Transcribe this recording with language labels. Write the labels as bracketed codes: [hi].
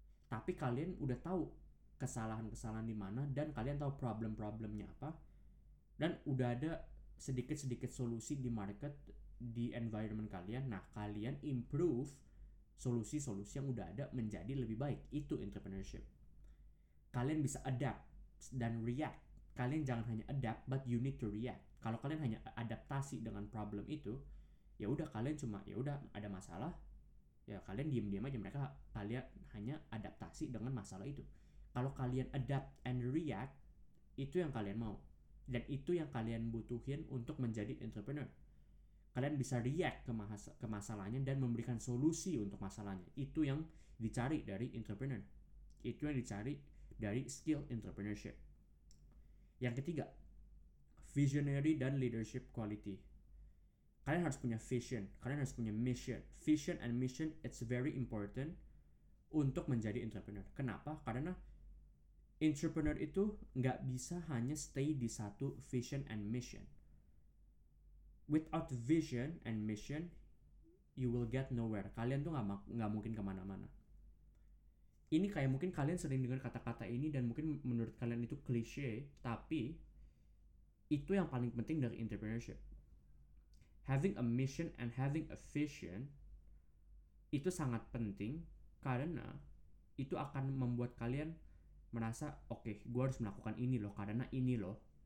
[id] Tapi kalian udah tahu kesalahan-kesalahan di mana, dan kalian tahu problem-problemnya apa, dan udah ada sedikit-sedikit solusi di market, di environment kalian. Nah, kalian improve solusi-solusi yang udah ada menjadi lebih baik. Itu entrepreneurship. Kalian bisa adapt dan react. Kalian jangan hanya [en] adapt, but you need to react. [id] Kalau kalian hanya adaptasi dengan problem itu, ya udah kalian cuma, ya udah ada masalah, ya kalian diam-diam aja. Mereka, kalian hanya adaptasi dengan masalah itu. Kalau kalian [en] adapt and react, [id] itu yang kalian mau. Dan itu yang kalian butuhin untuk menjadi entrepreneur. Kalian bisa react ke masalahnya dan memberikan solusi untuk masalahnya. Itu yang dicari dari entrepreneur. Itu yang dicari dari skill entrepreneurship. Yang ketiga, visionary dan leadership quality. Kalian harus punya vision, kalian harus punya mission. [en] Vision and mission, it's very important [id] untuk menjadi entrepreneur. Kenapa? Karena Entrepreneur itu nggak bisa hanya stay di satu [en] vision and mission. Without vision and mission, you will get nowhere. [id] Kalian tuh nggak mungkin kemana-mana. Ini kayak mungkin kalian sering dengar kata-kata ini dan mungkin menurut kalian itu klise, tapi itu yang paling penting dari entrepreneurship. [en] Having a mission and having a vision [id] itu sangat penting karena itu akan membuat kalian merasa, okay, gue harus melakukan ini loh, karena ini loh.